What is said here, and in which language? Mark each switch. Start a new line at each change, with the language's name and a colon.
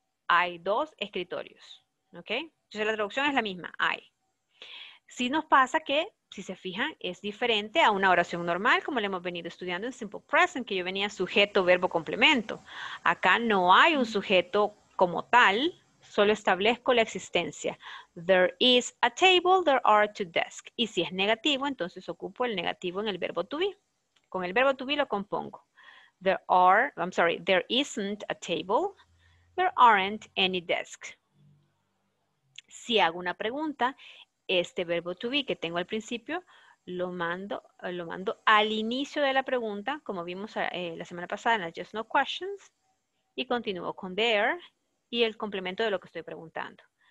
Spanish: Hay dos escritorios, ¿ok? Entonces la traducción es la misma, hay. Sí nos pasa que, si se fijan, es diferente a una oración normal, como la hemos venido estudiando en Simple Present, que yo venía sujeto, verbo, complemento. Acá no hay un sujeto como tal, solo establezco la existencia.
English: There is a table, there are two desks.
Spanish: Y si es negativo, entonces ocupo el negativo en el verbo to be. Con el verbo to be lo compongo.
English: There are, I'm sorry, there isn't a table, there aren't any desks.
Spanish: Si hago una pregunta, este verbo to be que tengo al principio, lo mando al inicio de la pregunta, como vimos la semana pasada en las just no questions, y continúo con there, y el complemento de lo que estoy preguntando.